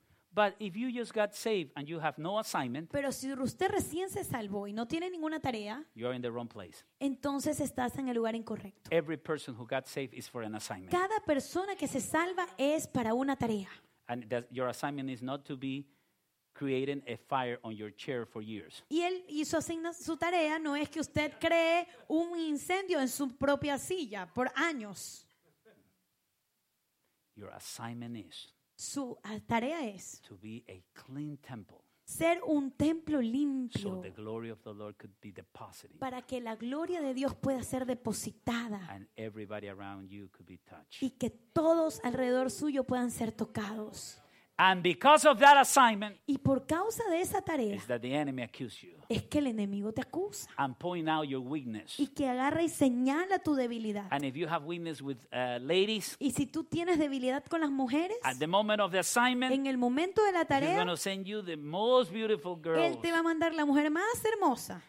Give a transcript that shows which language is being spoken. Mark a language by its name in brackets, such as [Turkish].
[English] But if you just got saved and you have no assignment, [Spanish] pero si usted recién se salvó y no tiene ninguna tarea, [English] you are in the wrong place. [Spanish] Entonces estás en el lugar incorrecto. [English] Every person who got saved is for an assignment. [Spanish] Cada persona que se salva es para una tarea. [English] And that your assignment is not to be creating a fire on your chair for years. [Spanish] Y él hizo su tarea no es que usted cree un incendio en su propia silla por años. [English] Your assignment is. [Spanish] Su tarea es [English] to be a clean temple, [Spanish] ser un templo limpio [English] so the glory of the Lord could be deposited, [Spanish] para que la gloria de Dios pueda ser depositada [English] and everybody around you could be touched. [Spanish] Y que todos alrededor suyo puedan ser tocados. [English] And because of that assignment, [Spanish] y por causa de esa tarea [English] is that the enemy accuses you, [Spanish] es que el enemigo te acusa [English] and point out your weakness, [Spanish] y que agarra y señala tu debilidad. [English] And if you have weakness with, ladies, [Spanish] y si tú tienes debilidad con las mujeres [English] at the moment of the assignment, [Spanish] en el momento de la tarea [English] he's gonna send you the most beautiful girls, [Spanish] él te va a mandar la mujer más hermosa.